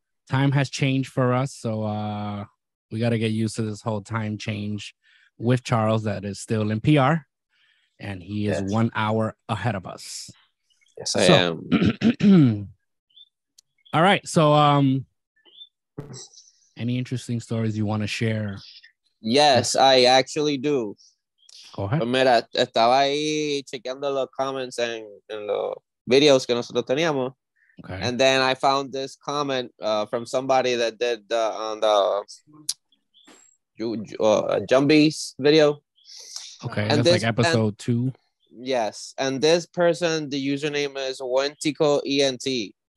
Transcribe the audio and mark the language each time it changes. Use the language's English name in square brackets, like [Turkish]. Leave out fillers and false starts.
[English] Time has changed for us, so we got to get used to this whole time change with Charles that is still in PR. And he is 1 hour ahead of us. Yes, I am. All right. So any interesting stories you want to share? Yes, I actually do. Go ahead. [Spanish] Pues mira, estaba ahí chequeando los comments en los videos que nosotros teníamos. [English] Okay. And then I found this comment from somebody that did on the Jumbies video. Okay, and that's this, like episode and, 2. Yes, and this person, the username is Wentico ENT.